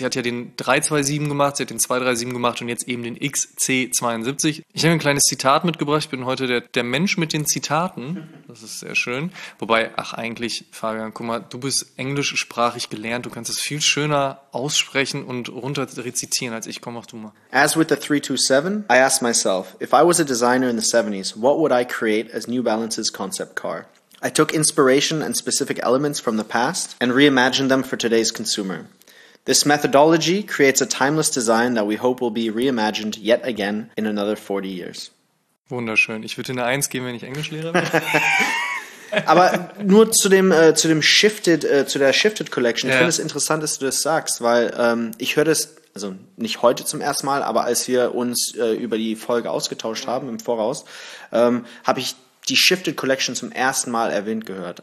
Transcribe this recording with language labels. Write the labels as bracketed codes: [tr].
[de] Sie hat ja den 327 gemacht, sie hat den 237 gemacht und jetzt eben den XC72. Ich habe ein kleines Zitat mitgebracht, ich bin heute der Mensch mit den Zitaten, das ist sehr schön. Wobei, ach eigentlich, Fabian, guck mal, du bist englischsprachig gelernt, du kannst es viel schöner aussprechen und runter rezitieren als ich, komm, mach du mal. [en] As with the 327, I asked myself, if I was a designer in the 70s, what would I create as New Balance's concept car? I took inspiration and specific elements from the past and reimagined them for today's consumer. This methodology creates a timeless design that we hope will be reimagined yet again in another 40 years. [de] Wunderschön. Ich würde dir eine 1 geben, wenn ich Englischlehrer bin. Aber nur zu der Shifted Collection. Ich finde es interessant, dass du das sagst, weil ich höre das. Also nicht heute zum ersten Mal, aber als wir uns über die Folge ausgetauscht haben im Voraus, habe ich die Shifted Collection zum ersten Mal erwähnt gehört.